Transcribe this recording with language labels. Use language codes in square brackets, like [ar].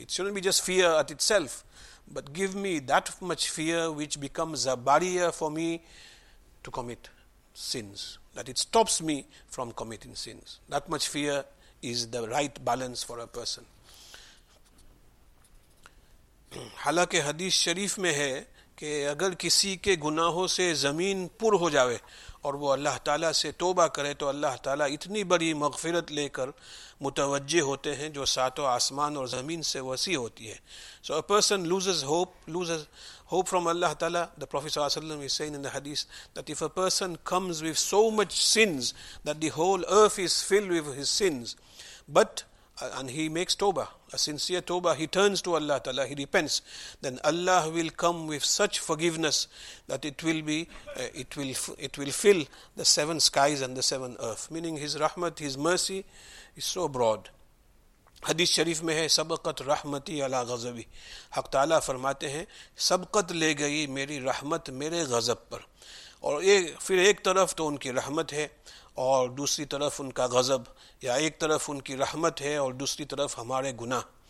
[en] It shouldn't be just fear at itself. But give me that much fear which becomes a barrier for me to commit sins. That it stops me from committing sins. That much fear is the right balance for a person. [ur] حالانکہ حدیث شریف میں ہے کہ اگر کسی کے گناہوں سے زمین پر ہو جاوے اور وہ اللہ تعالیٰ سے توبہ کرے تو اللہ تعالیٰ اتنی بڑی مغفرت لے کر متوجہ ہوتے ہیں جو ساتوں آسمان اور زمین سے وسیع ہوتی ہے. [en] So a person loses hope from Allah Ta'ala. The Prophet صلی اللہ علیہ وسلم is saying in the hadith that if a person comes with so much sins that the whole earth is filled with his sins, but and he makes tawbah, a sincere tawbah, he turns to Allah Ta'ala, he repents, then Allah will come with such forgiveness that it will fill the seven skies and the seven earth. Meaning his rahmat, his mercy is so broad. [ur] حدیث شریف میں ہے [ar] سبقت رحمتی علی غضبی. [ur] حق تعالیٰ فرماتے ہیں سبقت لے گئی میری رحمت میرے غضب پر. اور پھر ایک طرف تو ان کی رحمت ہے اور دوسری طرف ان کا غضب, یا ایک طرف ان کی رحمت ہے اور دوسری طرف ہمارے گناہ.